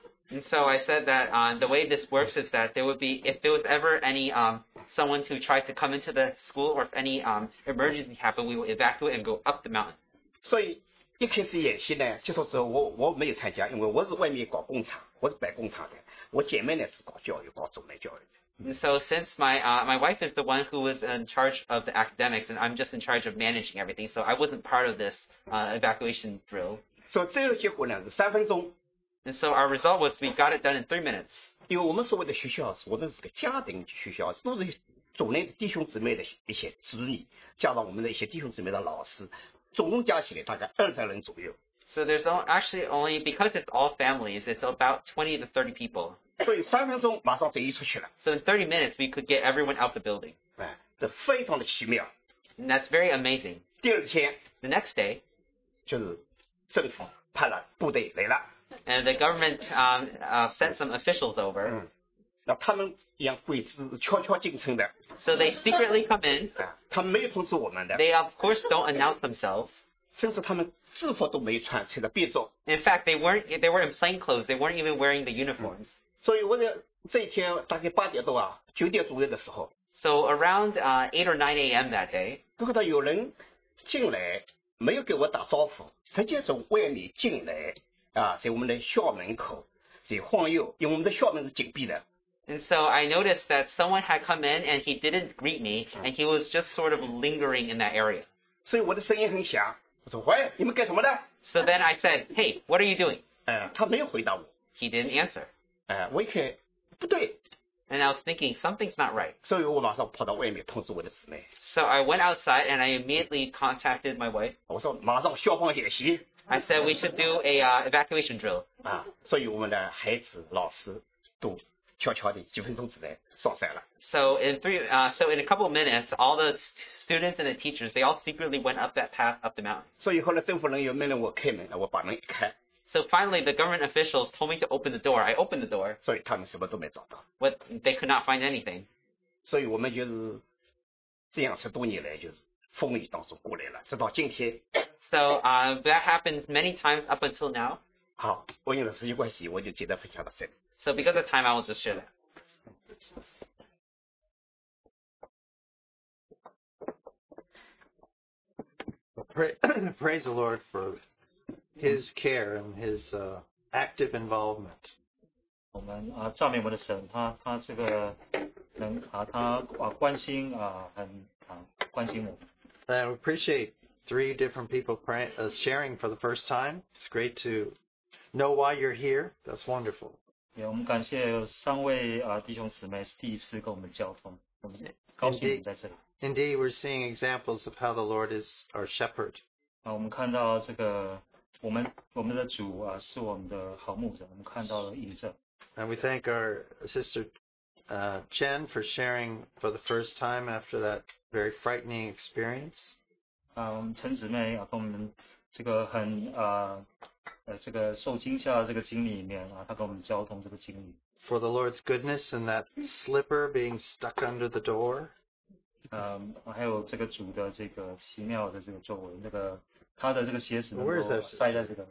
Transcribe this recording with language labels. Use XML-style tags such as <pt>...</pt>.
<en>And so I said that the way this works is that there would be, if there was ever any someone who tried to come into the school or if any emergency happened, we would evacuate and go up the mountain.</en> <zh>所以一开始演习呢，结束之后我没有参加，因为我是外面搞工厂，我是摆工厂的。我姐妹呢是搞教育，搞中文教育。</zh> <en>And so since my wife is the one who was in charge of the academics and I'm just in charge of managing everything, so I wasn't part of this evacuation drill.</en> <zh>所以最后结果呢是三分钟。</zh> <en>And so our result was we got it done in 3 minutes.</en> <zh>因为我们所谓的学校是我们是个家庭学校，都是组内的弟兄姊妹的一些子女，加上我们的一些弟兄姊妹的老师，总共加起来大概20人左右。</zh> <en>So there's actually only because it's all families, it's about 20 to 30 people.</en> <zh>所以三分钟马上整理出去了。</zh> <en>So in 30 minutes we could get everyone out the building.</en> <zh>这非常的奇妙。</zh> <en>And that's very amazing.</en> <zh>第二天。</zh> <en>The next day.</en> <zh>就是。政府派了部队来了</zh> <en>，and the government sent some officials over.</en> <zh>那他们一样鬼子悄悄进城的</zh> <en>，so they secretly come in.</en> <zh>他们没有通知我们的</zh> <en>，they of course don't announce themselves.</en> <zh>甚至他们制服都没穿，穿的便装。</zh> <en>In fact, they were in plain clothes. They weren't even wearing the uniforms.</en> <zh>所以我的这一天大概八点多啊，九点左右的时候</zh> <en>，so around 8 or 9 a.m. that day.</en> <zh>不过他有人进来。没有给我打招呼，直接从外面进来啊，在我们的校门口在晃悠，因为我们的校门是紧闭的。</zh> <en>And so I noticed that someone had come in and he didn't greet me, and he was just sort of lingering in that area.</en> <zh>所以我的声音很响，我说：“喂，你们干什么的？”</zh> <en>So then I said, "Hey, what are you doing?"</en> <zh>他没有回答我。</zh> <en>He didn't answer.</en> <zh>我一看不对。</zh> <en>And I was thinking something's not right.</en> <zh>所以我马上跑到外面通知我的姊妹。</zh> <en>So I went outside and I immediately contacted my wife.</en> <zh>我说马上消防演习。</zh> <en>I said we should do a evacuation drill.</en> <zh>所以我们的孩子、老师都悄悄地几分钟之内上山了。</zh> <en>So in a couple of minutes, all the students and the teachers they all secretly went up that path up the mountain.</en> <zh>所以后来政府人员命令我开门，我把门一开。</zh> <en>So finally, the government officials told me to open the door. I opened the door.</en> <zh>所以他们什么都没找到。</zh> <en>But they could not find anything.</en> <zh>所以我们就是这样十多年来就是风雨当中过来了，直到今天。</zh> <en>So that happens many times up until now.</en> <zh>好，我因为时间关系，我就简单分享到这里。</zh> <en>So because of time, I will just share that. Praise the Lord for. His care and his active involvement.</en> <zh>我们赞美我们的神，他这个能他关心很关心我们。</zh> <en>I appreciate three different people sharing for the first time. It's great to know why you're here. That's wonderful.</en> <zh>我们感谢三位弟兄姊妹是第一次跟我们交通，我们高兴在这里。</zh> <en>Indeed, we're seeing examples of how the Lord is our shepherd.</en> <zh>我们看到这个。我们的主是我们的好牧者，我们看到了印证。</zh> <en>And we thank our sister Jen for sharing for the first time after that very frightening experience.</en> <zh>陈姊妹跟我们这个受惊吓的这个经历里面，她跟我们交通这个经历。</zh> <en>For the Lord's goodness and that slipper being stuck under the door.</en> <zh>还有这个主的这个奇妙的这个作为，那个他的这个鞋子能够塞在这个缝。</zh>